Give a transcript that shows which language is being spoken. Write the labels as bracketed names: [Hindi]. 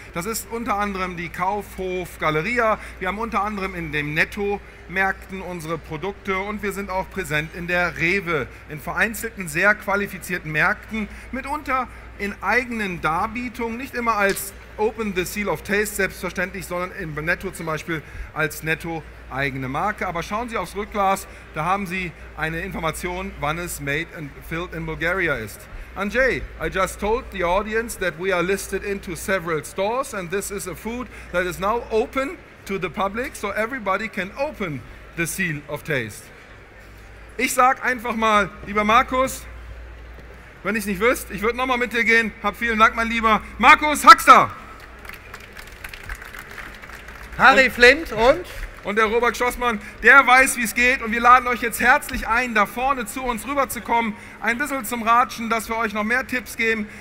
[German] Das ist unter anderem die Kaufhof Galeria. Wir haben unter anderem in dem Netto Märkten unsere Produkte und wir sind auch präsent in der Rewe, in vereinzelten, sehr qualifizierten Märkten, mitunter in eigenen Darbietungen, nicht immer als Open the Seal of Taste selbstverständlich, sondern im Netto zum Beispiel als Netto eigene Marke. Aber schauen Sie aufs Rückglas, da haben Sie eine Information, wann es [English] made and filled in Bulgaria [German] ist. [English] Andrzej, I just told the audience that we are listed into several stores and this is a food that is now open to the public, so everybody can open the seal of taste. [German] Ich sag einfach mal, lieber Markus, wenn ich nicht wüsste, ich würde nochmal mit dir gehen. Hab vielen Dank, mein lieber Markus Haxter. Harry Flint und? Und der Robert Schossmann, der weiß, wie es geht. Und wir laden euch jetzt herzlich ein, da vorne zu uns rüberzukommen, ein bisschen zum Ratschen, dass wir euch noch mehr Tipps geben.